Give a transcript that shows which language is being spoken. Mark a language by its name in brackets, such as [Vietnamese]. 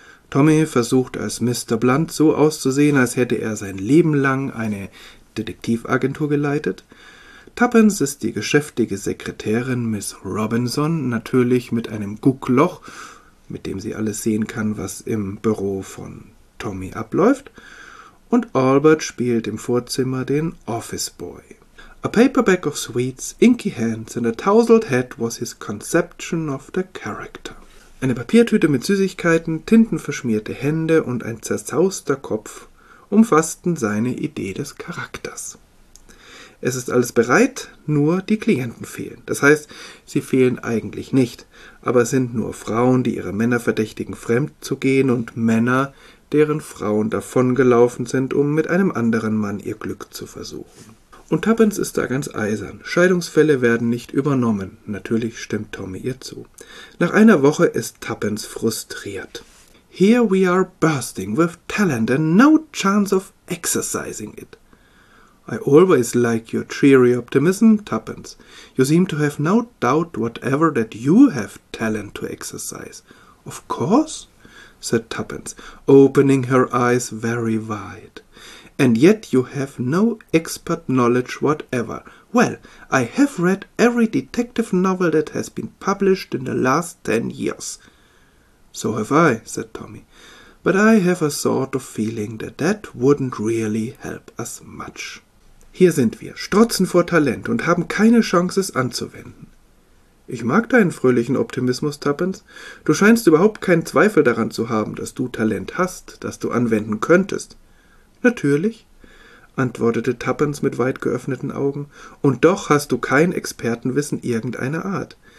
[German] Tommy versucht als Mr. Blunt so auszusehen, als hätte er sein Leben lang eine Detektivagentur geleitet. Tuppence ist die geschäftige Sekretärin Miss Robinson, natürlich mit einem Guckloch, mit dem sie alles sehen kann, was im Büro von Tommy abläuft. Und Albert spielt im Vorzimmer den Office Boy. [English] A paperback of sweets, inky hands and a tousled hat was his conception of the character. [German] Eine Papiertüte mit Süßigkeiten, tintenverschmierte Hände und ein zerzauster Kopf umfassten seine Idee des Charakters. Es ist alles bereit, nur die Klienten fehlen. Das heißt, sie fehlen eigentlich nicht, aber es sind nur Frauen, die ihre Männer verdächtigen, fremd zu gehen und Männer, deren Frauen davongelaufen sind, um mit einem anderen Mann ihr Glück zu versuchen. Und Tuppence ist da ganz eisern. Scheidungsfälle werden nicht übernommen. Natürlich stimmt Tommy ihr zu. Nach einer Woche ist Tuppence frustriert. [English] Here we are bursting with talent and no chance of exercising it. I always like your cheery optimism, Tuppence. You seem to have no doubt whatever that you have talent to exercise. Of course, said Tuppence, opening her eyes very wide. And yet you have no expert knowledge whatever. Well, I have read every detective novel that has been published in the last 10 years. So have I, said Tommy. But I have a sort of feeling that that wouldn't really help us much. [German] Hier sind wir, strotzen vor Talent und haben keine Chance, es anzuwenden. Ich mag deinen fröhlichen Optimismus, Tuppence. Du scheinst überhaupt keinen Zweifel daran zu haben, dass du Talent hast, das du anwenden könntest. Natürlich, antwortete Tuppence mit weit geöffneten Augen, und doch hast du kein Expertenwissen irgendeiner Art.